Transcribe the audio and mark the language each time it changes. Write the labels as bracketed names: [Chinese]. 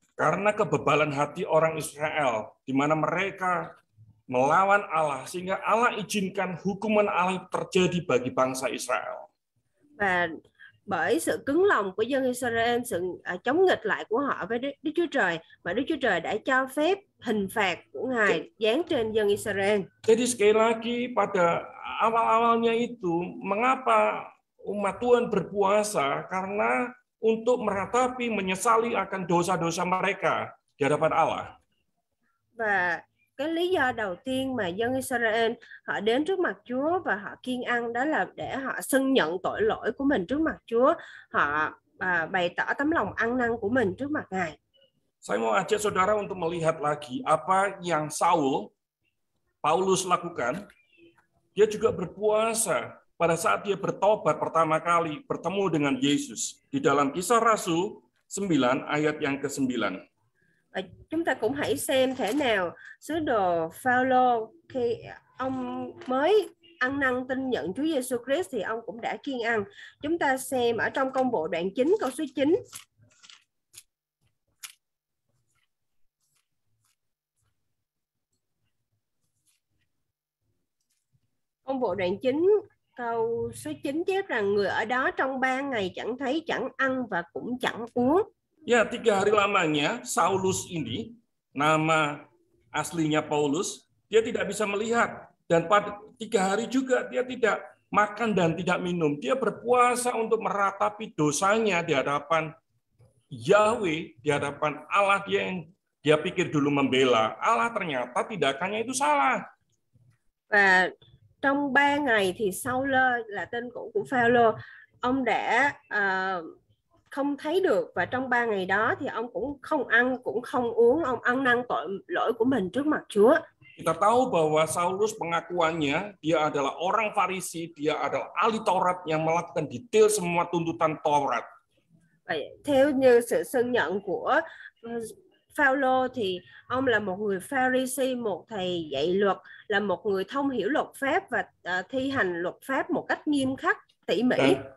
[Indonesian] Karena kebebalan hati orang Israel di mana mereka melawan Allah sehingga Allah izinkan hukuman Allah terjadi bagi bangsa Israel. [Vietnamese] Và bởi sự cứng lòng của dân Israel, sự chống nghịch lại của họ với Đức Chúa Trời, mà Đức Chúa Trời đã cho phép hình phạt của Ngài giáng trên dân Israel. [Indonesian] Jadi sekali lagi pada awal-awalnya itu, mengapa umat Tuhan berpuasa? Karena untuk meratapi, menyesali akan dosa-dosa mereka di hadapan Allah. [Vietnamese] Và cái lý do đầu tiên mà dân Israel họ đến trước mặt Chúa và họ kiêng ăn đó là để họ xưng nhận tội lỗi của mình trước mặt Chúa, họ bày tỏ tấm lòng ăn năn của mình trước mặt Ngài. [Indonesian] Saya mau ajak saudara untuk melihat lagi apa yang Saul Paulus lakukan. Dia juga berpuasa pada saat dia bertobat pertama kali bertemu dengan Yesus di dalam Kisah Rasul 9 ayat yang ke-9. [Vietnamese] Chúng ta cũng hãy xem thế nào sứ đồ Phaolô khi ông mới ăn năn tin nhận Chúa Giêsu Christ thì ông cũng đã kiêng ăn. Chúng ta xem ở trong Công vụ đoạn 9 câu số 9. Công vụ đoạn 9 câu số 9 chép rằng người ở đó trong 3 ngày chẳng thấy, chẳng ăn và cũng chẳng uống. [Indonesian] Ya, tiga hari lamanya Saulus ini, nama aslinya Paulus, dia tidak bisa melihat. Dan pada tiga hari juga dia tidak makan dan tidak minum. Dia berpuasa untuk meratapi dosanya di hadapan Yahweh, di hadapan Allah dia yang dia pikir dulu membela. Allah ternyata tindakannya itu salah. [Vietnamese] Và trong 3 ngày thì Saul là tên cũ của Phaolô, ông đã không thấy được, và trong 3 ngày đó thì ông cũng không ăn cũng không uống, ông ăn năn tội lỗi của mình trước mặt Chúa. [Indonesian] Kita tahu bahwa Saulus pengakuannya dia adalah orang Farisi, dia adalah ahli Taurat yang melakukan detail semua tuntutan Taurat. [Vietnamese] Vậy theo như sự xưng nhận của Phaolô thì ông là một người Pharisee, một thầy dạy luật, là một người thông hiểu luật pháp và thi hành luật pháp một cách nghiêm khắc, tỉ mỉ.